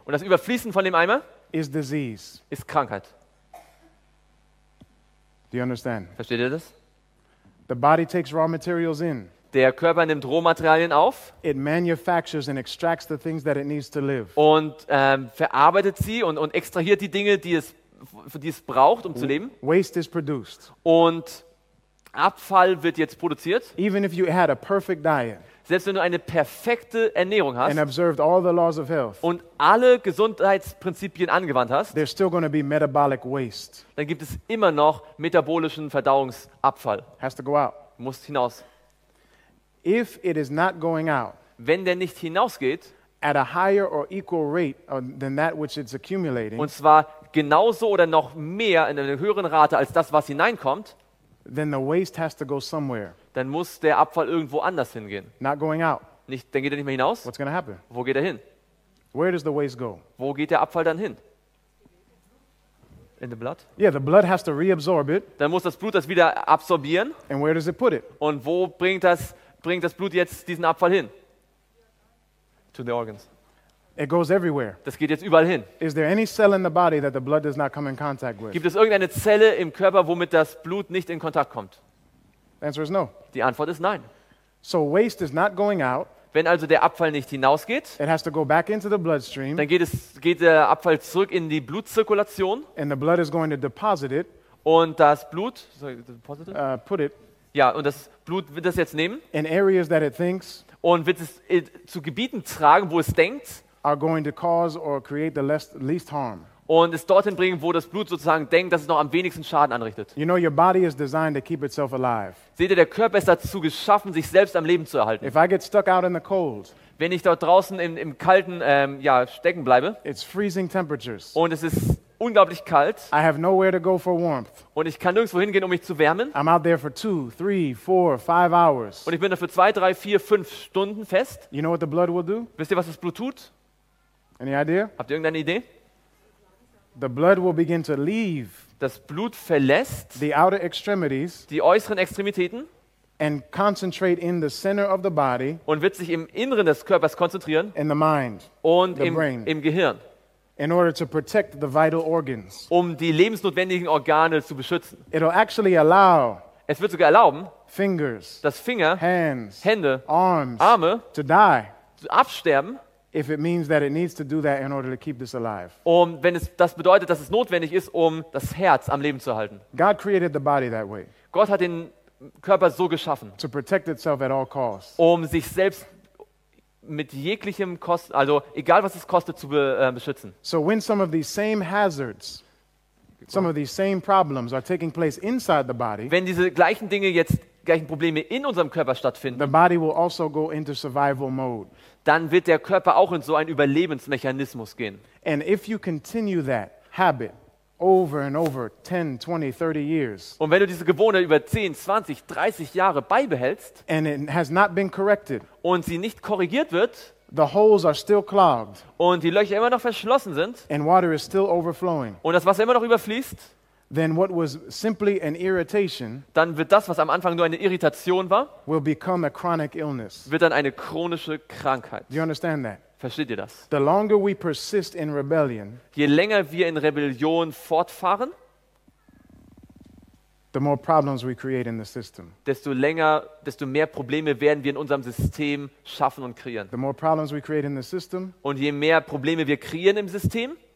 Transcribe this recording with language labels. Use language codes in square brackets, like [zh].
[de] Und das Überfließen von dem Eimer [en] is disease. [de] Ist Krankheit. [en] Do you understand? [de] Versteht ihr das? [en] The body takes raw materials in. [de] Der Körper nimmt Rohmaterialien auf. [en] It manufactures and extracts the things that it needs to live. [de] Und verarbeitet sie und extrahiert die Dinge, die es braucht, um zu leben. [en] Waste is produced. [de] Und Abfall wird jetzt produziert. [en] Even if you had a perfect diet, [de] selbst wenn du eine perfekte Ernährung hast [en] and observed all the laws of health, [de] und alle Gesundheitsprinzipien angewandt hast, [en] there's still going to be metabolic waste. [de] Dann gibt es immer noch metabolischen Verdauungsabfall. [en] Has to go out. [de] Muss hinaus. [en] If it is not going out, [de] wenn der nicht hinausgeht, [en] at a higher or equal rate than that which it's accumulating, [de] und zwar genauso oder noch mehr in einer höheren Rate als das, was hineinkommt, [en] then the waste has to go somewhere. [de] Dann muss der Abfall irgendwo anders hingehen. [en] Not going out. [de] Nicht, dann geht er nicht mehr hinaus. [en] What's going to happen? [de] Wo geht er hin? [en] Where does the waste go? [de] Wo geht der Abfall dann hin? [en] In the blood? Yeah, the blood has to reabsorb it. [de] Dann muss das Blut das wieder absorbieren. [en] And where does it put it? [de] Und wo bringt das Blut jetzt diesen Abfall hin? [en] To the organs. It goes everywhere. [de] Das geht jetzt überall hin. [en] Is there any cell in the body that the blood does not come in contact with? [de] Gibt es irgendeine Zelle im Körper, womit das Blut nicht in Kontakt kommt? [en] The answer is no. [de] Die Antwort ist nein. [en] So waste is not going out. [de] Wenn also der Abfall nicht hinausgeht, [en] it has to go back into the bloodstream. [de] Dann geht der Abfall zurück in die Blutzirkulation. [en] And the blood is going to deposit it. [de] Und das Blut, [en] put it. [de] Ja, und das Blut wird das jetzt nehmen. [en] In areas that it thinks. [de] Und wird es zu Gebieten tragen, wo es denkt. [en] Are going to cause or create the least harm. [de] Und es dorthin bringen, wo das Blut sozusagen denkt, dass es noch am wenigsten Schaden anrichtet. [en] You know, your body is designed to keep itself alive. [de] Seht ihr, der Körper ist dazu geschaffen, sich selbst am Leben zu erhalten. [en] If I get stuck out in the cold, [de] wenn ich dort draußen im Kalten stecken bleibe, [en] it's freezing temperatures. [de] Und es ist unglaublich kalt, [en] I have nowhere to go for warmth. [de] Und ich kann nirgendwo hingehen, um mich zu wärmen. [en] I'm out there for 2, 3, 4, 5 hours. [de] Und ich bin da für 2, 3, 4, 5 Stunden fest. [en] You know what the blood will do? [de] Wisst ihr, was das Blut tut? [en] Any idea? [de] Habt ihr irgendeine Idee? [en] The blood will begin to leave. [de] Das Blut verlässt [en] the outer extremities, [de] die äußeren Extremitäten, [en] and concentrate in the center of the body, [de] und wird sich im Inneren des Körpers konzentrieren, [en] in the mind, [de] und [en] the brain, [de] im Gehirn, [en] in order to protect the vital organs, [de] um die lebensnotwendigen Organe zu beschützen. [en] It'll actually allow, [de] es wird sogar erlauben, [en] fingers, [de] dass Finger, [en] hands, [de] Hände, [en] arms, [de] Arme, [en] to die, [de] zu absterben. [en] If it means that it needs to do that in order to keep this alive. [de] Um, wenn es das bedeutet, dass es notwendig ist, um das Herz am Leben zu halten. [en] God created the body that way. [de] Gott hat den Körper so geschaffen. [en] To protect itself at all costs. [de] Um sich selbst mit jeglichem Kosten, also egal was es kostet, zu beschützen. [en] So when some of these same hazards, some of these same problems are taking place inside the body. [de] Wenn diese gleichen Dinge jetzt gleichen Probleme in unserem Körper stattfinden. [en] The body will also go into survival mode. [de] Dann wird der Körper auch in so einen Überlebensmechanismus gehen. [en] And if you continue that habit over and over 10, 20, 30 years. [de] Und wenn du diese Gewohnheit über 10, 20, 30 Jahre beibehältst, [en] and it has not been corrected. [de] Und sie nicht korrigiert wird, [en] the holes are still clogged. [de] Und die Löcher immer noch verschlossen sind. [en] And water is still overflowing. [de] Und das Wasser immer noch überfließt. [en] Then what was simply an irritation, [de] dann wird das, was am Anfang nur eine Irritation war, [en] will become a chronic illness. [de] Wird dann eine chronische Krankheit. [en] Do you understand that? [de] Versteht ihr das? [en] The longer we persist in rebellion, [de] je länger wir in Rebellion fortfahren, [en] the more problems we create in the system. [de] Desto mehr Probleme werden wir in unserem System schaffen und kreieren. [en] The more problems we create in the system, [de] und je mehr Probleme wir kreieren im System,